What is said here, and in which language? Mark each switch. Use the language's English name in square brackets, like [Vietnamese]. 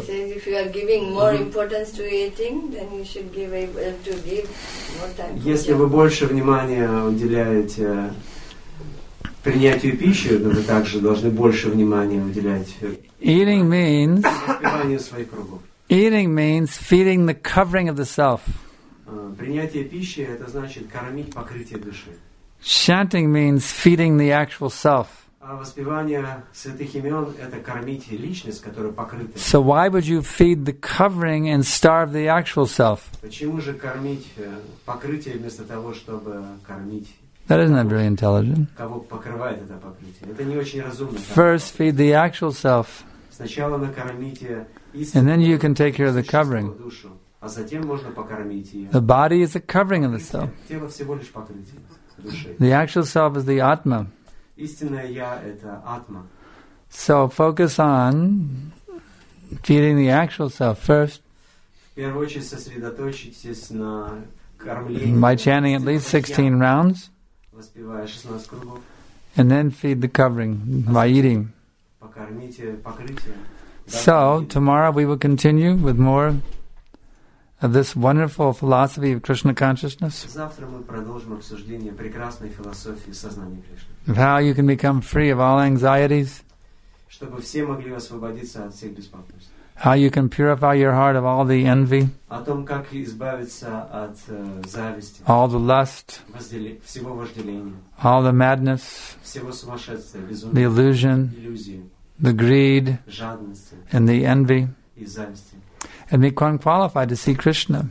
[English] He says if you are giving more importance to eating, then you should give able to give more time. [Russian] Если вы больше внимания уделяете принятию пищи, то вы также должны больше внимания уделять. [English] Eating means. [Russian] Воспитанию своих кругов. [English] Eating means feeding the covering of the self. [Russian] Принятие пищи это значит кормить покрытие души. [English] Chanting means feeding the actual self. [Russian] А воспевание святых имен – это кормить личность, которая покрыта. [English] So why would you feed the covering and starve the actual self? [Russian] Почему же кормить покрытие вместо того, чтобы кормить? [English] That isn't very intelligent. [Russian] Кого покрывает это покрытие? Это не очень разумно. [English] First feed the actual self. [Russian] Сначала накормите. [English] And then you can take care of the covering. [Russian] Душу, а затем можно покормить ее. [English] The body is the covering of the self. [Russian] Тело всего лишь покрытие души. [English] The actual self is the atma. [Russian] Истинное я – это атма. [English] So focus on feeding the actual self first. [Russian] В первую очередь сосредоточьтесь на кормлении. [English] By chanting at least 16 rounds. [Russian] Воспевая 16 кругов. [English] And then feed the covering by eating. [Russian] Покормите покрытие. [English] So tomorrow we will continue with more of this wonderful philosophy of Krishna consciousness. [Russian] Завтра мы продолжим обсуждение прекрасной философии сознания Кришны. [English] How you can become free of all anxieties. [Russian] Чтобы все могли освободиться от всех беспокойств. [English] How you can purify your heart of all the envy. [Russian] О том, как избавиться от зависти. [English] All the lust. [Russian] Всего вожделения. [English] All the madness. [Russian] Всего сумасшествия, безумия. [English] The illusion. [Russian] Иллюзии. [English] The greed. [Russian] Жадности. [English] And the envy. [Russian] И зависти. [English] And become qualified to see Krishna.